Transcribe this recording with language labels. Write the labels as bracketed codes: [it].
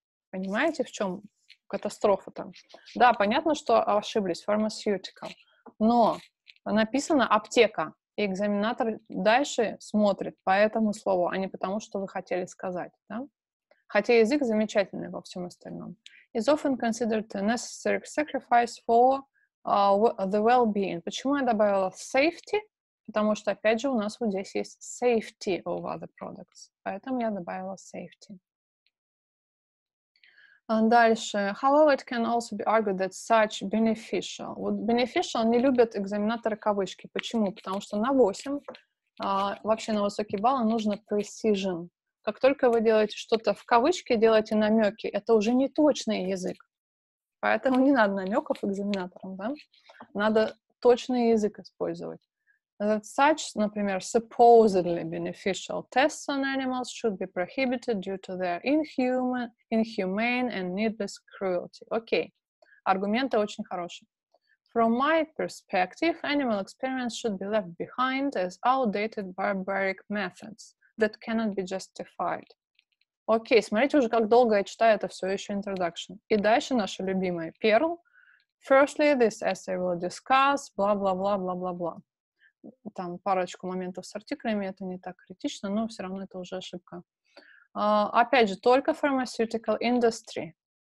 [ru] Понимаете, в чем катастрофа-то? Да, понятно, что ошиблись, pharmaceutical. Но написано аптека, и экзаменатор дальше смотрит по этому слову, а не потому, что вы хотели сказать. Да? Хотя язык замечательный во всем остальном. [en] Is often considered a necessary sacrifice for the well-being. [ru] Почему я добавила safety? Потому что, опять же, у нас вот здесь есть safety of other products. Поэтому я добавила safety. Дальше. [en] However, it can also be argued that such beneficial. [ru] Вот beneficial не любят экзаменаторы кавычки. Почему? Потому что на 8, вообще на высокий балл, нужно precision. Как только вы делаете что-то в кавычке, делаете намеки, это уже не точный язык. Поэтому не надо намеков экзаменаторам, да? Надо точный язык использовать. [en] That such, [ru] например, [en] supposedly beneficial tests on animals should be prohibited due to their inhumane and needless cruelty. [ru] Окей, аргументы очень хорошие. [en] From my perspective, animal experiments should be left behind as outdated barbaric methods that cannot be justified. [ru] Окей, смотрите уже, как долго я читаю это все еще introduction. И дальше наша любимая перл. [en] Firstly, this essay will discuss blah-blah-blah-blah-blah-blah. [ru] Там парочку моментов с артиклями, это не так критично, но все равно это уже ошибка. Опять же, только pharmaceutical industry.